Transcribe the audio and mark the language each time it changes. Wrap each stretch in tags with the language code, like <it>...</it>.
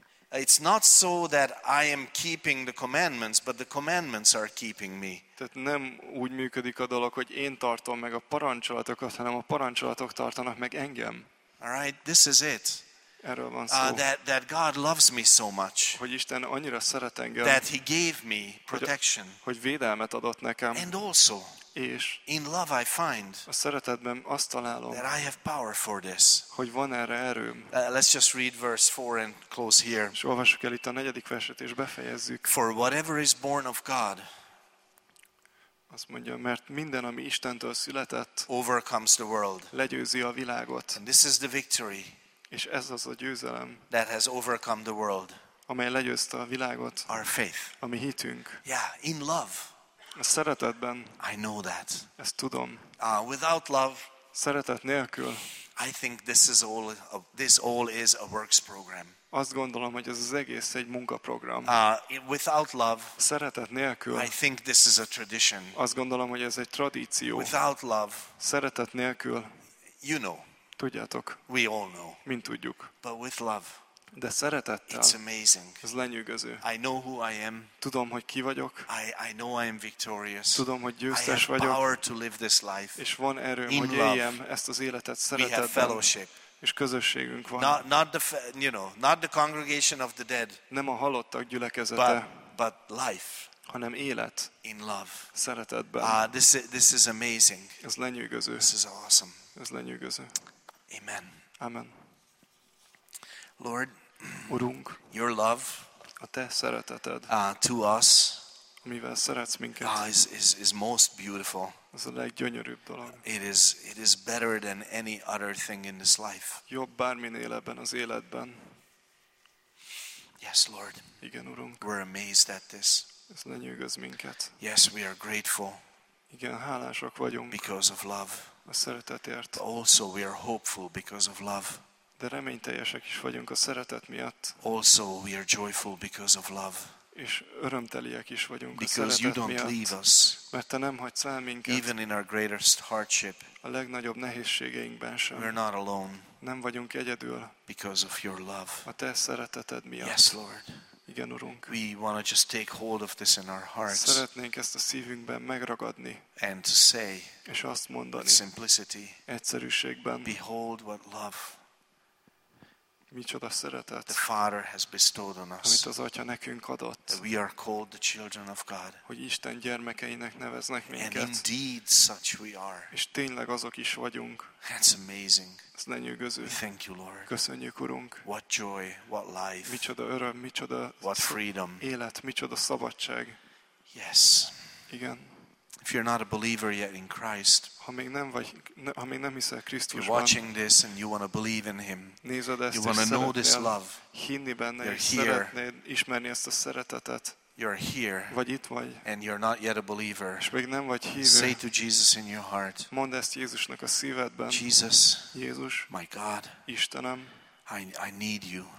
<en>It's not so that I am keeping the commandments, but the commandments are keeping me.</en> <hu>Tehát nem úgy működik a dolog, hogy én tartom meg a parancsolatokat, hanem a parancsolatok tartanak meg engem.</hu> <en>All right, this is it.</en> <hu>Erről van szó.</hu> <en>That God loves me so much.</en> <hu>Hogy Isten annyira szeret engem.</hu> <en>That he gave me protection.</en> <hu>Hogy védelmet adott nekem.</hu> <en>And also,</en> <hu>és</hu> <en>in love I find.</en> <hu>A szeretetben azt találom.</hu> <en>That I have power for this.</en> <hu>Hogy van erre erőm.</hu> <en>Let's just read verse 4 and close here.</en> <hu>És olvassuk el itt a negyedik verset és befejezzük.</hu> <en>For whatever is born of God.</en> <hu>Azt mondja, mert minden, ami Istentől született,</hu> <en>overcomes the world.</en> <hu>Legyőzi a világot.</hu> <en>And this is the victory.</en> <hu>És ez az a győzelem,</hu> <en>that has overcome the world.</en> <hu>Amely legyőzte a világot.</hu> <en>Our faith.</en> <hu>A mi hitünk.</hu> <en>Yeah, in love.</en> <hu>A szeretetben.</hu> <en>I know that.</en> <hu>Ezt tudom.</hu> <en>Without love.</en> <hu>Szeretet nélkül.</hu> <en>I think this all is a works program.</en> <hu>Azt gondolom, hogy ez az egész egy munkaprogram.</hu> <en>Without love.</en> <hu>Szeretet nélkül.</hu> <en>I think this is a tradition.</en> <hu>Azt gondolom, hogy ez egy tradíció.</hu> <en>Without love.</en> <hu>Szeretet nélkül.</hu> <en>You know.</en> <hu>Tudjátok.</hu> <en>We all know.</en> <hu>Mint tudjuk.</hu> <en>But with love.</en> <hu>De szeretettel.</hu> <en>It's amazing.</en> <hu>Ez lenyűgöző.</hu> <en>I know who I am.</en> <hu>Tudom, hogy ki vagyok.</hu> <en>I know I am victorious.</en> <hu>Tudom, hogy győztes vagyok.</hu> <en>I have power to live this life.</en> <hu>És van erőm, hogy éljem ezt az életet szeretetben.</hu> <en>We have fellowship.</en> <hu>És közösségünk van.</hu> <en>Not the congregation of the dead.</en> <hu>Nem a halottak gyülekezete.</hu> <en>But life.</en> <hu>Hanem élet.</hu> <en>In love.</en> <hu>Szeretetben.</hu> <en>This is amazing.</en> <hu>Ez lenyűgöző.</hu> <en>This is awesome.</en> <hu>Ez lenyűgöző.</hu> <en>Amen.</en> <hu>Amen.</hu> <en>Lord,</en> <hu>Urunk,</hu> <en>your love,</en> <hu>a te szereteted,</hu> <en>to us,</en> <hu>mivel szeretsz minket,</hu> <en>is most beautiful.</en> <hu>Ez a leggyönyörűbb dolog.</hu> <en>It is better than any other thing in this life.</en> <hu>Jobb bárminél ebben az életben.</hu> <en>Yes, Lord.</en> <hu>Igen, Urunk.</hu> <en>We're amazed at this.</en> <hu>Ez lenyűgöz minket.</hu> <en>Yes, we are grateful.</en> <hu>Igen, hálásak vagyunk.</hu> <en>Because of love.</en> <hu>A szeretetért.</hu> <en>But also, we are hopeful because of love.</en> <hu>De reményteljesek is vagyunk a szeretet miatt.</hu> <en>Also, we are joyful because of love.</en> <hu>És örömteliek is vagyunk</hu> <en>because</en> <hu>a szeretet</hu> <en>you don't</en> <hu>miatt.</hu> <en>Leave us.</en> <hu>Mert te nem hagysz el minket.</hu> <en>Even in our greatest hardship.</en> <hu>A legnagyobb nehézségeinkben sem.</hu> <en>We're not alone.</en> <hu>Nem vagyunk egyedül.</hu> <en>Because of your love.</en> <hu>A te szereteted miatt.</hu> <en>Yes, Lord.</en> <hu>Igen, Urunk.</hu> <en>We want to just take hold of this in our hearts.</en> <hu>Szeretnénk ezt a szívünkben megragadni.</hu> <en>And to say.</en> <hu>És azt mondani.</hu> <en>Simplicity.</en> <hu>Egyszerűségben.</hu> <en>Behold what love.</en> <hu>Micsoda szeretet.</hu> <en>The Father has bestowed on us.</en> <hu>Amit az Atya nekünk adott.</hu> <en>That we are called the children of God.</en> <hu>Hogy Isten gyermekeinek neveznek minket.</hu> <en>And indeed such we are.</en> <hu>És tényleg azok is vagyunk.</hu> <en>That's amazing.</en> <hu>Ez lenyűgöző.</hu> <en>Thank you, Lord.</en> <hu>Köszönjük, Urunk.</hu> <en>What joy, what life.</en> <hu>Micsoda öröm, micsoda</hu> <en>what freedom.</en> <hu>Élet, micsoda szabadság.</hu> <en>Yes.</en> <hu>Igen.</hu> <en>If you're not a believer yet in Christ,</en> <hu>ha még nem hiszel Krisztusban,</hu> <en>you're watching this and you want to believe in Him.</en> <hu>Nézed ezt,</hu> <en>you want to know this love.</en> <hu>Hinni benne, és szeretnéd ismerni ezt a szeretetet.</hu> <en>You're here.</en> <hu>Vagy itt vagy.</hu> <en>And you're not yet a believer.</en> <hu>És még nem vagy hívő.</hu> <en>Say to Jesus in your heart.</en> <hu>Mondd ezt Jézusnak a szívedben.</hu> <en>Jesus.</en> <hu>Jézus.</hu> <en>My God.</en> <hu>Istenem.</hu> <en>I need you.</en>